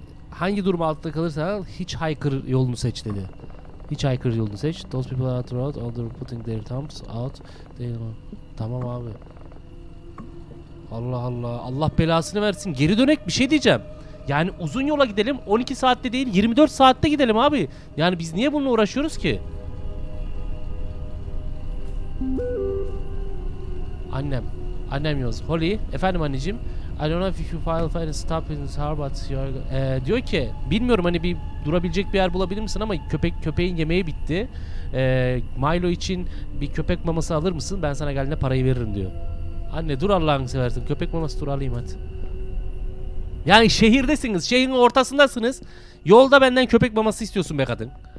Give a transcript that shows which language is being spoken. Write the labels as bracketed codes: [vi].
[tr] Hangi durum altında kalırsan hiç hiker yolunu seç dedi. Hiç hiker yolunu seç. [en] Those people are out the road, they're putting their thumbs out. [tr] Tamam abi. Allah Allah. Allah belasını versin. Geri dönek bir şey diyeceğim. Yani uzun yola gidelim. 12 saatte değil 24 saatte gidelim abi. Yani biz niye bununla uğraşıyoruz ki? Annem. Annem yaz. Holly. Efendim anneciğim. [en] I don't know if you file for a stop in this car, but you are... [tr] diyor ki, bilmiyorum hani bir durabilecek bir yer bulabilir misin ama köpeğin yemeği bitti. Milo için bir köpek maması alır mısın? Ben sana geldiğinde parayı veririm diyor. Anne dur Allah'ını seversin. Köpek maması dur alayım hadi. Yani şehirdesiniz. Şehrin ortasındasınız. Yolda benden köpek maması istiyorsun be kadın.